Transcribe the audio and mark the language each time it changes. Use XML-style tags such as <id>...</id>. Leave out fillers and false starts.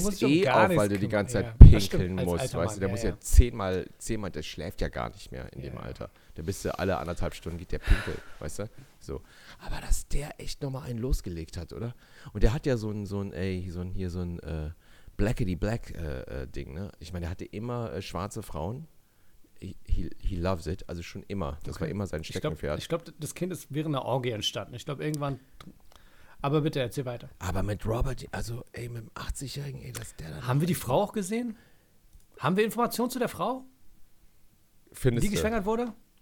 <de>Du stehst eh auf, weil du die ganze Zeit pinkeln musst. Weißt du, der muss ja zehnmal, der schläft ja gar nicht mehr in dem Alter. Da bist du alle anderthalb Stunden, geht der pinkeln, weißt du? So. Aber dass der echt nochmal einen losgelegt hat, oder? Und der hat ja so ein Blackity-Black-Ding, ne? Ich meine, der hatte immer schwarze Frauen.</de> <en>He loves it,</en> <de>also schon immer. Das war immer sein Steckenpferd. Ich glaube, das Kind ist während einer Orgie entstanden. Ich glaube, irgendwann. Aber bitte, erzähl weiter. Aber mit Robert, also ey, mit dem 80-Jährigen, ey, dass der da. Haben wir die Frau auch gesehen? Haben wir Informationen zu der Frau? Findest du? Die geschwängert wurde?</de>